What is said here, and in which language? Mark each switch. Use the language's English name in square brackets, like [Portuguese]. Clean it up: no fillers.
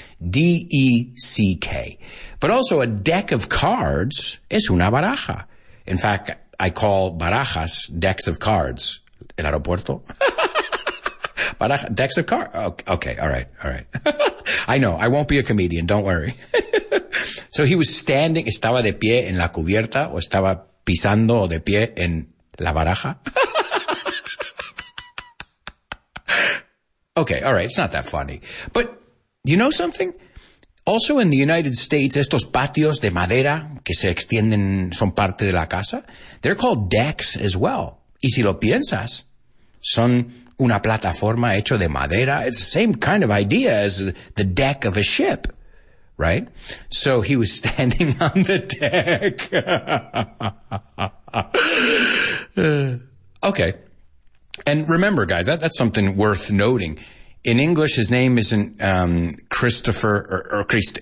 [English] D-E-C-K. But also a deck of cards is una baraja. In fact, I call barajas decks of cards. [Spanish] El aeropuerto? [English] Baraja, decks of cards. Okay, all right, all right. I know, I won't be a comedian, don't worry. So he was standing, [Spanish] estaba de pie en la cubierta, o estaba pisando de pie en la baraja. [English] Okay, all right, it's not that funny. But you know something? Also in the United States, [Spanish] estos patios de madera que se extienden son parte de la casa, [English] they're called decks as well. [Spanish] Y si lo piensas, son una plataforma hecho de madera. [English] It's the same kind of idea as the deck of a ship, right? So he was standing on the deck. Okay. And remember, guys, that's something worth noting. In English, his name isn't Christopher or Christ.